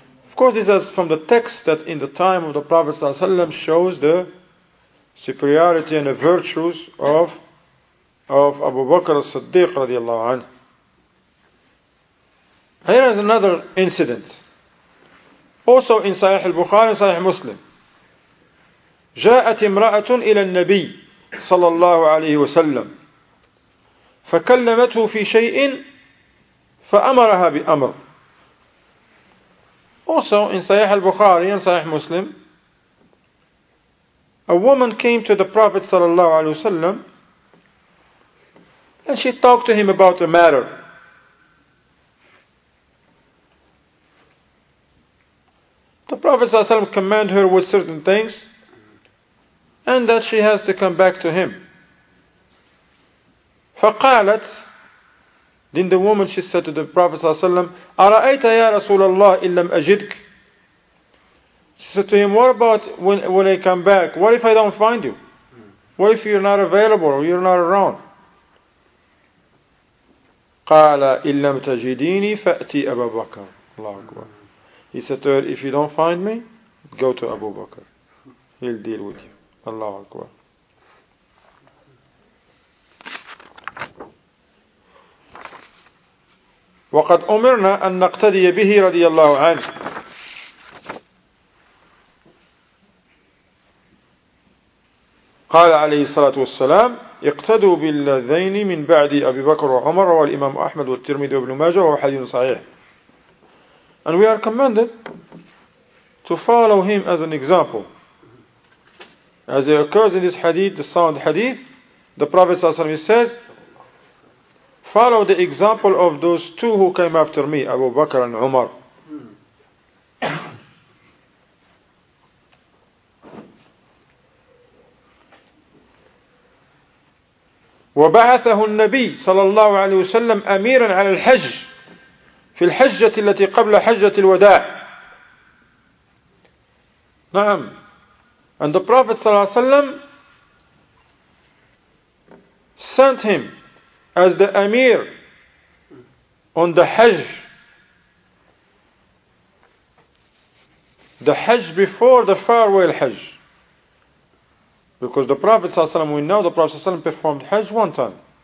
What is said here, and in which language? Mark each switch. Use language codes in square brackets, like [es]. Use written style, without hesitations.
[en] Of course, this is from the text that in the time of the Prophet ﷺ shows the superiority and the virtues of Abu Bakr as-Siddiq radiallahu anhu. Here is another incident. Also in Sahih al-Bukhari and Sahih Muslim. [ar] جاءت امرأة إلى النبي صلى الله عليه وسلم فكلمته في شيء فأمرها بأمر. [en] Also in Sahih al-Bukhari and Sahih Muslim, a woman came to the Prophet صلى الله عليه وسلم and she talked to him about a matter. The Prophet صلى الله عليه وسلم commanded her with certain things and that she has to come back to him. [ar] فقالت, [en] then the woman, she said to the Prophet صلى الله عليه وسلم, [ar] أرأيت يا رسول الله إن لم أجدك. [en] She said to him, what about when I come back? What if I don't find you? What if you're not available or you're not around? [ar] قال إن لم تجديني فأتي أبا بكر. الله أكبر. [en] He said to her, if you don't find me, go to Abu Bakr. He'll deal with you. Allahu Akbar. [ar] وقد أمرنا أن نقتدي به رضي الله عنه. قال عليه الصلاة والسلام اقتدوا بالذين من بعد أبي بكر وعمر والإمام أحمد والترمذي وابن ماجه وحديث صحيح. [en] And we are commanded to follow him as an example. As it occurs in this hadith, the sound hadith, the Prophet ﷺ says, follow the example of those two who came after me, Abu Bakr and Umar. [ar] وَبَعَثَهُ النَّبِيُّ صلى الله عليه وسلم أميراً على الحج في الحجة التي قبل حجة الوداع. نعم. [en] And the Prophet صلى الله عليه وسلم sent him as the Amir on the Hajj. The Hajj before the farewell Hajj. Because the Prophet صلى الله عليه وسلم, we know the Prophet صلى الله عليه وسلم performed Hajj one time.